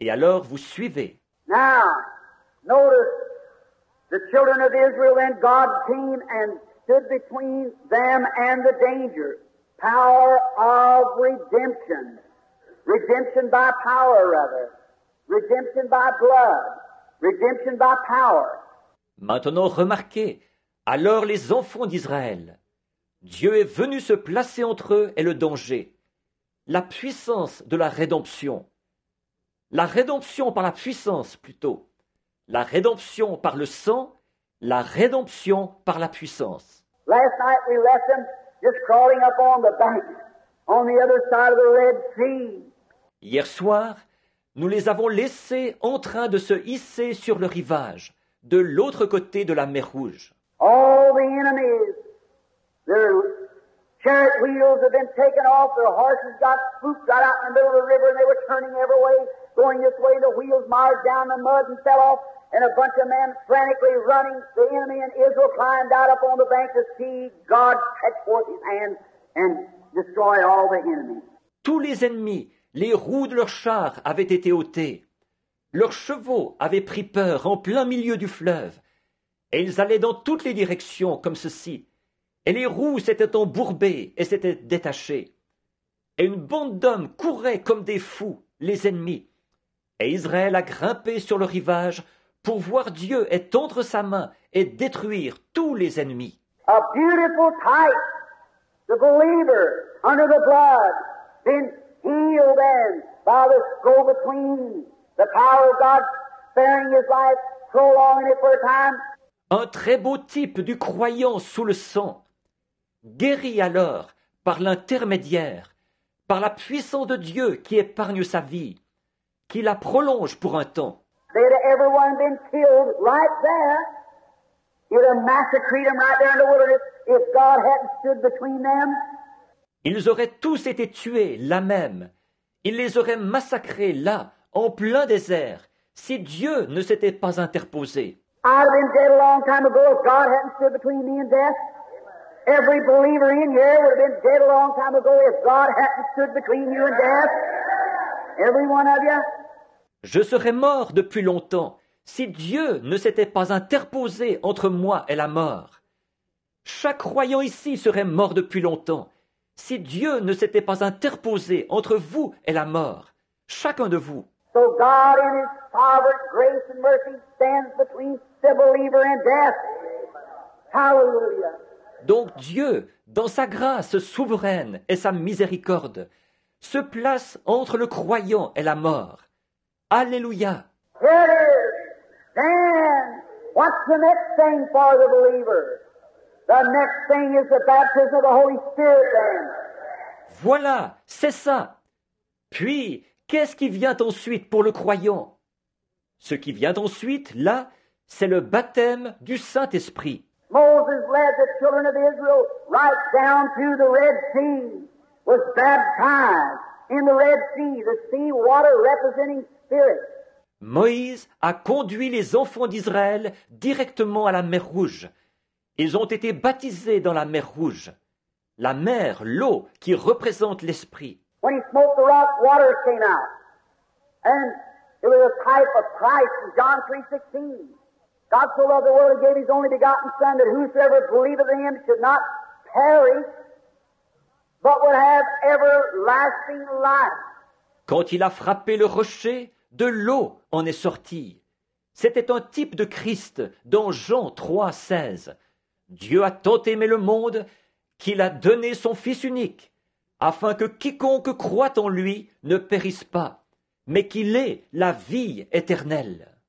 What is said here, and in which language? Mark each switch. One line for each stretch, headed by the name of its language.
French: Et alors vous suivez.
English: Now, notice, the children of Israel, then God came and stood between them and the danger. Power of redemption. Redemption by power, rather. Redemption by blood. Redemption by power.
French: Maintenant, remarquez, alors les enfants d'Israël, Dieu est venu se placer entre eux et le danger. La puissance de la rédemption. La rédemption par la puissance, plutôt. La rédemption par le sang, la rédemption par la puissance.
English: Last night we left them just crawling up on the bank, on the other side of the Red Sea.
French: Hier soir, nous les avons laissés en train de se hisser sur le rivage, de l'autre côté de la mer Rouge.
English: All the enemies, their chariot wheels have been taken off, their horses got spooked right out in the middle of the river and they were turning every way, going this way, the wheels marred down the mud and fell off, and a bunch of men frantically running, the enemy and Israel climbed out up on the bank to see God stretch forth his hand and destroy all the enemies.
French: Tous les ennemis, les roues de leurs chars avaient été ôtées. Leurs chevaux avaient pris peur en plein milieu du fleuve. Et ils allaient dans toutes les directions comme ceci. Et les roues s'étaient embourbées et s'étaient détachées. Et une bande d'hommes courait comme des fous, les ennemis. Et Israël a grimpé sur le rivage pour voir Dieu étendre sa main et détruire tous les ennemis.
English: A beautiful type, the believer, under the blood, been healed and by the go between, the power of God sparing his life, prolonging it for a time.
French: Un très beau type du croyant sous le sang, guéri alors par l'intermédiaire, par la puissance de Dieu qui épargne sa vie, qui la prolonge pour un temps.
English: They'd have everyone been killed right there. You'd have massacred them right there in the wilderness if God hadn't stood between them.
French: Ils auraient tous été tués là même. Ils les auraient massacrés là, en plein désert, si Dieu ne s'était pas interposé.
English: I'd have been dead a long time ago if God hadn't stood between me and death. Every believer in here would have been dead a long time ago if God hadn't stood between you and death. Every one of you.
French: Je serais mort depuis longtemps si Dieu ne s'était pas interposé entre moi et la mort. Chaque croyant ici serait mort depuis longtemps si Dieu ne s'était pas interposé entre vous et la mort. Chacun de vous.
English: So God in his sovereign grace and mercy stands between the believer and death. Hallelujah.
French: Donc Dieu, dans sa grâce souveraine et sa miséricorde, se place entre le croyant et la mort. Alléluia.
English: Here it is. Then, what's the next thing for the believer? The next thing is the baptism of the Holy Spirit then.
French: Voilà, c'est ça. Puis, qu'est-ce qui vient ensuite pour le croyant? Ce qui vient ensuite, là, c'est le baptême du Saint-Esprit.
English: Moses led the children of Israel right down to the Red Sea, was baptized in the Red Sea, the sea water representing Spirit.
French: Moïse a conduit les enfants d'Israël directement à la mer Rouge. Ils ont été baptisés dans la mer Rouge, la mer, l'eau qui représente l'Esprit.
English: When he smote the rock, water came out. And it was a type of Christ in John 3:16. God so loved the world, he gave his only begotten Son, that whosoever believeth in him should not perish, but would have everlasting life.
French: Quand il a frappé le rocher, de l'eau en est sortie. C'était un type de Christ dans Jean 3:16. Dieu a tant aimé le monde qu'il a donné son Fils unique, afin que quiconque croit en lui ne périsse pas, mais qu'il ait la vie éternelle.